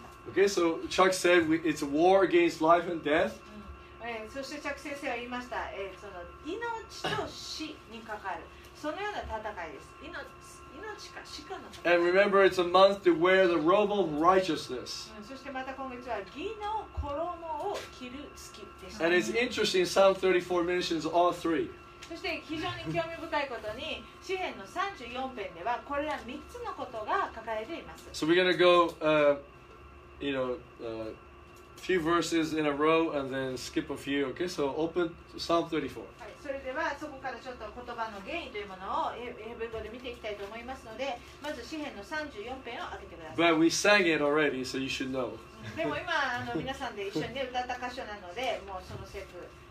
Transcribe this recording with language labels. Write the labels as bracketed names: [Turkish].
[English] Okay, so Chuck said it's a war against life and death. [Japanese] そしてチャック先生は言いました。その命と死にかかる。そのような戦いです。命か死かの戦い。 [English] And remember, it's a month to wear the robe of righteousness. [Japanese] そしてまた今月は義の衣を着る月です [English] 。 And it's interesting, Psalm 34 mentions all three. [Japanese] そして非常に興味深いことに詩編の34編ではこれら3つのことが書かれています。 [English] So we're gonna go, you know, few verses in a row and then skip a few. Okay, so open Psalm 34. [Japanese] はい、それではそこからちょっと言葉の原因というものを英文語で見ていきたいと思いますので、まず詩編の34編を開けてください。 [English] But we sang it already, so you should know. [Japanese] でも今皆さんで一緒に、ね、歌った箇所なので、もうそのセーフ。